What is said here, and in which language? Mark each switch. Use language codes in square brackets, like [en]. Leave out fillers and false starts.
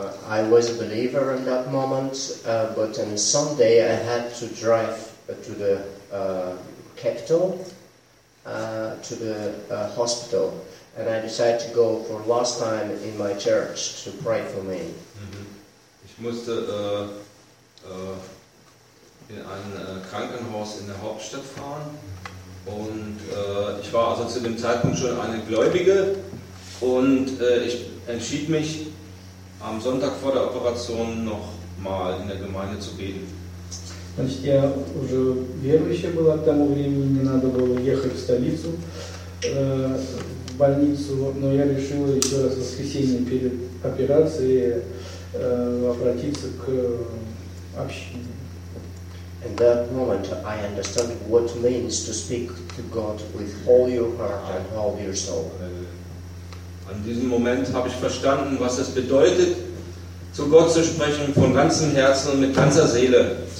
[en] I was a believer in that moment, but on Sunday I had to drive to the capital, to the hospital, and I decided to go for last time in my church to pray for me. [de] Ich musste in ein Krankenhaus in der Hauptstadt fahren und ich war also zu dem Zeitpunkt schon eine Gläubige und ich entschied mich am Sonntag vor der Operation noch mal in der Gemeinde zu beten. [ru] Значит, я уже верующая была к тому времени, мне надо было ехать в столицу, в больницу, но я решила еще раз в воскресенье перед операцией обратиться к общине. [en] In that moment, I understand what it means to speak to God with all your heart and all your soul. [de] An diesem Moment habe ich verstanden, was es bedeutet, zu Gott zu sprechen von ganzem Herzen und mit ganzer Seele.